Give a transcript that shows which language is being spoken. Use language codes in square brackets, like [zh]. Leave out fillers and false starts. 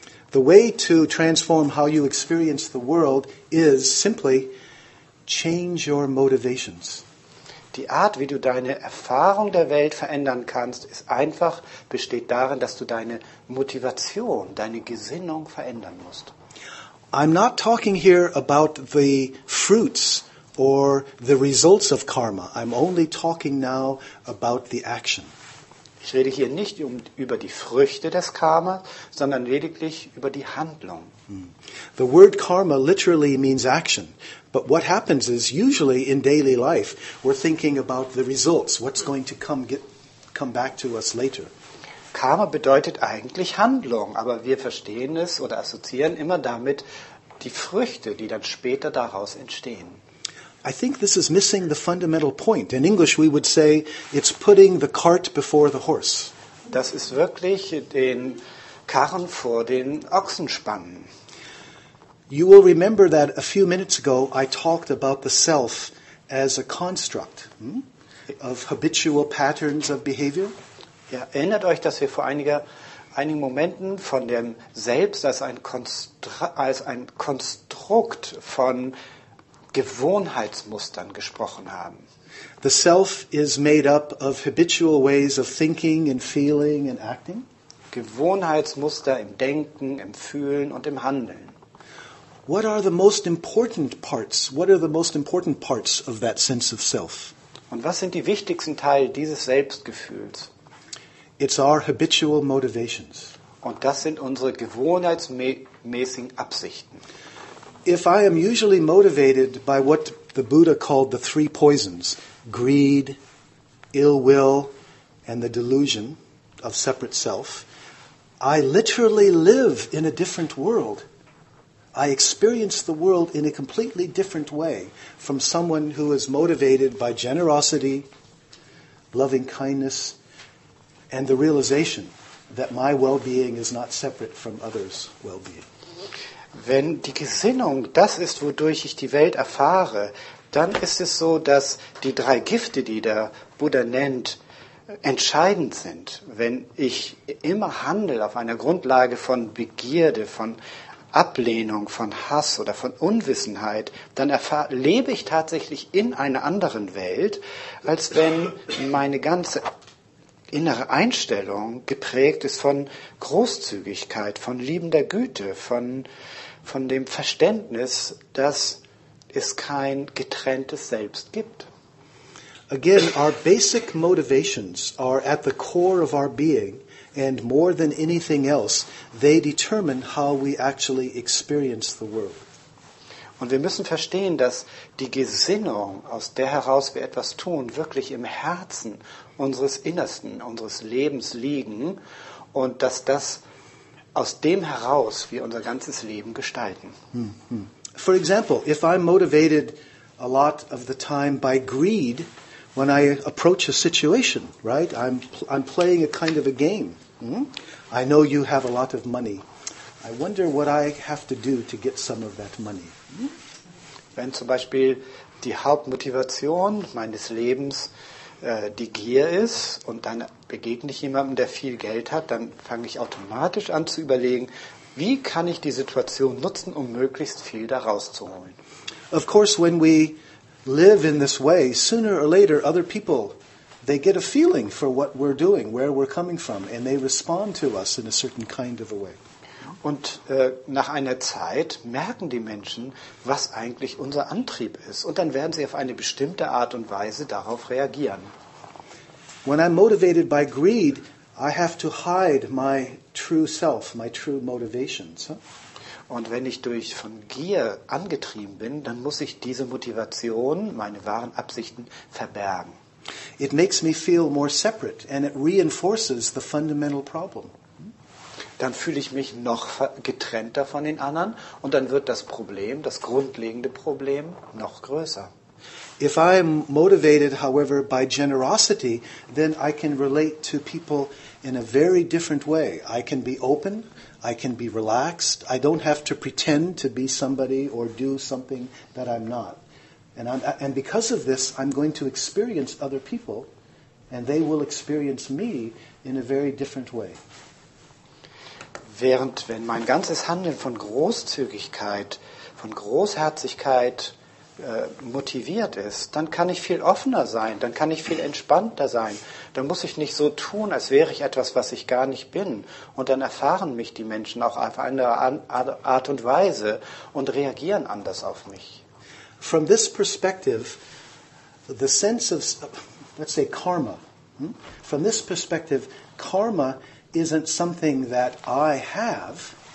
[en] The way to transform how you experience the world is simply change your motivations. [de] Die Art, wie du deine Erfahrung der Welt verändern kannst, ist einfach, besteht darin, dass du deine Motivation, deine Gesinnung verändern musst. [en] I'm not talking here about the fruits or the results of karma. I'm only talking now about the action. [de] Ich rede hier nicht über die Früchte des Karma, sondern lediglich über die Handlung. [en] The word karma literally means action. But what happens is usually in daily life we're thinking about the results, what's going to come back to us later. [de] Karma bedeutet eigentlich Handlung, aber wir verstehen es oder assoziieren immer damit die Früchte, die dann später daraus entstehen. [en] I think this is missing the fundamental point. In English we would say it's putting the cart before the horse. [de] Das ist wirklich den Karren vor den Ochsen spannen. [en] You will remember that a few minutes ago I talked about the self as a construct of habitual patterns of behavior. [de] Ja, erinnert euch, dass wir vor einigen Momenten von dem Selbst als ein Konstrukt von Gewohnheitsmustern gesprochen haben. [en] The self is made up of habitual ways of thinking and feeling and acting. [de] Gewohnheitsmuster im Denken, im Fühlen und im Handeln. [en] What are the most important parts? What are the most important parts of that sense of self? [de] Und was sind die wichtigsten Teile dieses Selbstgefühls? [en] It's our habitual motivations. [de] Und das sind unsere gewohnheitsmäßigen Absichten. [en] If I am usually motivated by what the Buddha called the three poisons, greed, ill will, and the delusion of separate self, I literally live in a different world. I experience the world in a completely different way from someone who is motivated by generosity, loving kindness, and the realization that my well-being is not separate from others' well-being. [de] Wenn die Gesinnung das ist, wodurch ich die Welt erfahre, dann ist es so, dass die drei Gifte, die der Buddha nennt, entscheidend sind. Wenn ich immer handle auf einer Grundlage von Begierde, von Ablehnung, von Hass oder von Unwissenheit, dann lebe ich tatsächlich in einer anderen Welt, als wenn meine ganze innere Einstellung geprägt ist von Großzügigkeit, von liebender Güte, von dem Verständnis, dass es kein getrenntes Selbst gibt. [en] Again, our basic motivations are at the core of our being, and more than anything else, they determine how we actually experience the world. [de] Und wir müssen verstehen, dass die Gesinnung, aus der heraus wir etwas tun, wirklich im Herzen unseres Innersten, unseres Lebens liegen und dass das aus dem heraus wir unser ganzes Leben gestalten. [en] For example, if I'm motivated a lot of the time by greed, when I approach a situation, right? I'm playing a kind of a game. I know you have a lot of money. I wonder what I have to do to get some of that money. [de] Wenn zum Beispiel die Hauptmotivation meines Lebens die Gier ist und dann begegne ich jemandem, der viel Geld hat, dann fange ich automatisch an zu überlegen, wie kann ich die Situation nutzen, um möglichst viel daraus zu holen. [en] Of course, when we live in this way, sooner or later, other people, they get a feeling for what we're doing, where we're coming from, and they respond to us in a certain kind of a way. [de] Und nach einer Zeit merken die Menschen, was eigentlich unser Antrieb ist. Und dann werden sie auf eine bestimmte Art und Weise darauf reagieren. [en] When I'm motivated by greed, I have to hide my true self, my true motivations. [de] Und wenn ich durch von Gier angetrieben bin, dann muss ich diese Motivation, meine wahren Absichten, verbergen. [en] It makes me feel more separate and it reinforces the fundamental problem. [de] Dann fühle ich mich noch getrennter von den anderen und dann wird das Problem, das grundlegende Problem, noch größer. [en] If I'm motivated, however, by generosity, then I can relate to people in a very different way. I can be open, I can be relaxed, I don't have to pretend to be somebody or do something that I'm not. And because of this, I'm going to experience other people and they will experience me in a very different way. [de] Während wenn mein ganzes Handeln von Großzügigkeit, von Großherzigkeit motiviert ist, dann kann ich viel offener sein, dann kann ich viel entspannter sein. Dann muss ich nicht so tun, als wäre ich etwas, was ich gar nicht bin. Und dann erfahren mich die Menschen auch auf eine Art und Weise und reagieren anders auf mich. [en] From this perspective, the sense of, let's say, karma. From this perspective, karma isn't something that I have.